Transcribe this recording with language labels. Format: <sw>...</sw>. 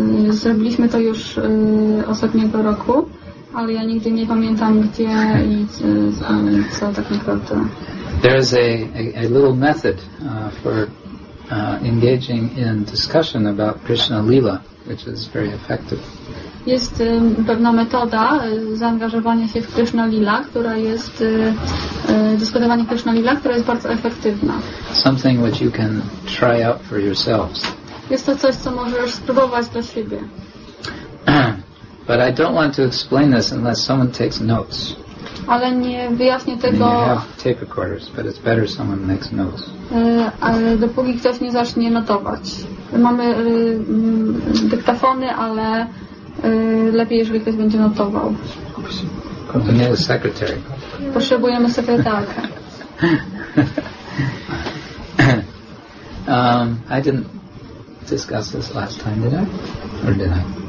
<pl>Zrobiliśmy to już ostatniego roku, ale ja nigdy nie pamiętam gdzie i co tak naprawdę.</pl> <en>There is a little method for engaging in discussion about Krishna Lila, which is very effective.</en> <pl>Jest pewna metoda zaangażowania się w Krishna Lila, która jest dyskutowanie Krishna Lila, która jest bardzo efektywna.</pl> <en>Something which you can try out for yourselves.</en> <pl>Jest to coś, co możesz spróbować dla siebie.</pl> <en>But I don't want to explain this unless someone takes notes.</en> <pl>Ale nie wyjaśnię tego.</pl> <en>And you have tape recorders, but it's better someone makes notes.</en> <pl>Ale dopóki ktoś nie zacznie notować. Mamy dyktafony, ale lepiej, jeżeli ktoś będzie notował.</pl> <en>We need a secretary.</en> <pl>Potrzebujemy sekretarkę.</pl> <en>I didn't discuss this last time, did I? Or did I?</en>